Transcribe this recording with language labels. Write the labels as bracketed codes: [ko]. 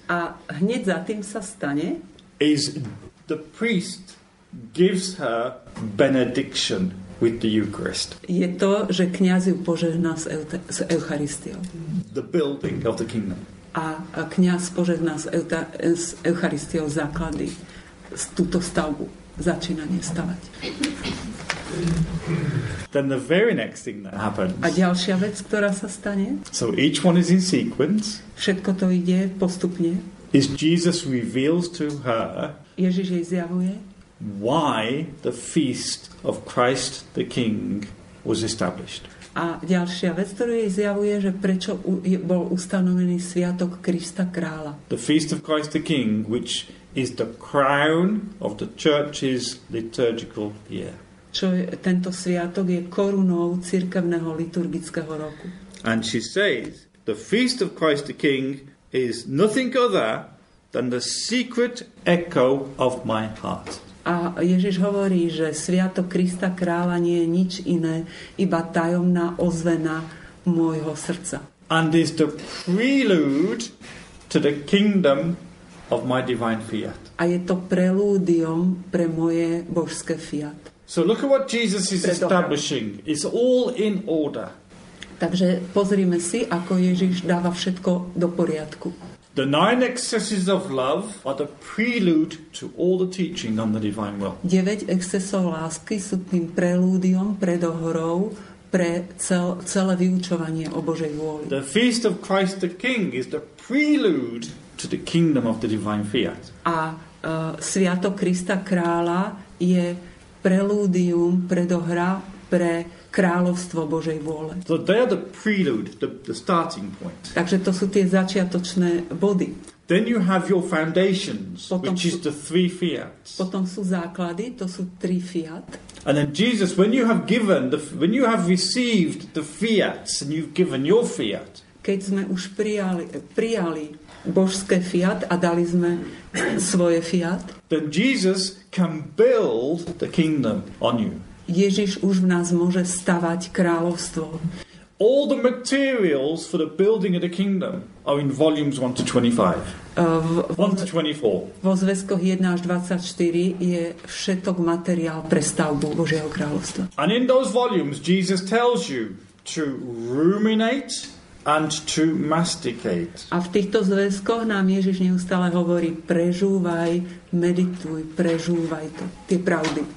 [sk] A hneď za tým sa stane. [en] Is the priest gives her benediction with the Eucharist. [sk] Je to, že kňaz ju požehná s Eucharistiou. [en] The building of the kingdom. [sk] A kňaz požehná s Eucharistiou základy. Túto stavbu začína nestavať. [en] Then the very next thing that happens. [sk] A ďalšia vec, ktorá sa stane? [en] So each one is in sequence. [sk] Všetko to ide postupne. [en] Is Jesus reveals to her. [sk] Ježiš jej zjavuje. [en] Why the feast of Christ the King was established. [sk] A ďalšia vec, ktorú jej zjavuje, že prečo bol ustanovený sviatok Krista Krála. [en] The feast of Christ the King, which is the crown of the church's liturgical year. [sk] Čo je, tento sviatok je korunou cirkevného liturgického roku. [en] And she says, the feast of Christ the King is nothing other than the secret echo of my heart. [sk] A Ježiš hovorí, že sviatok Krista Krála nie je nič iné, iba tajomná ozvena môjho srdca. [en] And is the prelude to the kingdom of my divine fiat. [sk] A je to prelúdium pre moje božské fiat. [en] So look at what Jesus is establishing. It's all in order. [sk] Takže pozrime si, ako Ježiš dáva všetko do poriadku. [en] The nine excesses of love are the prelude to all the teaching on the divine will. [sk] 9 excesov lásky sú tým prelúdium, predohrou pre celé vyučovanie o Božej vôli. [en] The feast of Christ the King is the prelude to the kingdom of the divine fiat. [sk] A sviatok Krista Krála je prelúdium, predohra pre kráľovstvo Božej vôle. [en] So they are the prelude, the starting point. [sk] Takže to sú tie začiatočné body. [en] Then you have your foundations, which is the three fiats. [sk] Potom sú základy, to sú tri fiat. [en] And then Jesus, when you have received the fiats and you've given your fiat. [sk] Keď sme už prijali božské fiat a dali sme svoje fiat. [en] Then Jesus can build the kingdom on you. [sk] Ježiš už v nás môže stavať kráľovstvo. [en] All the materials for the building of the kingdom are in volumes 1 to 25. 1 to 24. [sk] Vo zväzkoch 1 až 24 je všetok materiál pre stavbu Božieho kráľovstva. And in those volumes Jesus tells you to ruminate and to masticate. A v týchto zväzkoch nám Ježiš neustále hovorí prežúvaj, medituj, prežúvaj to, tie pravdy.